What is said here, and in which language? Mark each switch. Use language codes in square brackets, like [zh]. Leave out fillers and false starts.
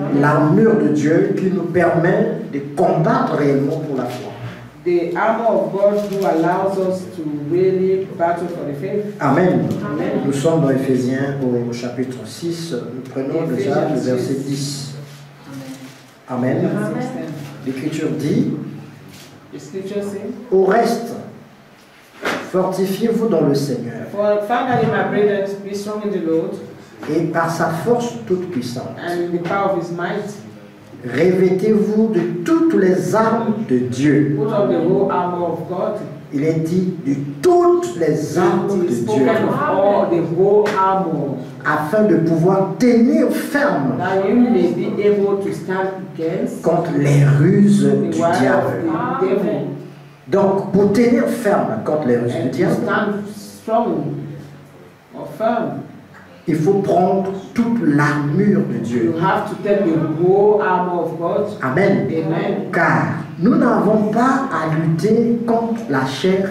[fr] L'armure de Dieu qui nous permet de combattre réellement pour la foi. [en] The armor of God who allows us to really battle for the faith. Amen. Amen. [fr] Nous sommes dans Ephésiens au chapitre 6. Nous prenons déjà le verset 10. Amen. L'Écriture dit, [en] the scripture says, [fr] au reste, fortifiez-vous dans le Seigneur. [en] For finally, my brethren, be strong in the Lord. [fr] Et par sa force toute puissante. [en] And in the power of his might. [fr] Revêtez-vous de toutes les armes de Dieu. [en] Put on the whole armor of God. [fr] Il est dit de toutes les armes de Dieu. [en] All the whole armor. [fr] Afin de pouvoir tenir ferme. [en] That you may be able to stand against. [fr] Contre les ruses du diable. [en] The devil. [fr] Donc, pour tenir ferme contre les ruses du diable, [en] stand strong or firm, [fr] il faut prendre toute l'armure de Dieu. [en] You have to take the whole armor of God. Amen. Amen. [fr] Car nous n'avons pas à lutter contre la chair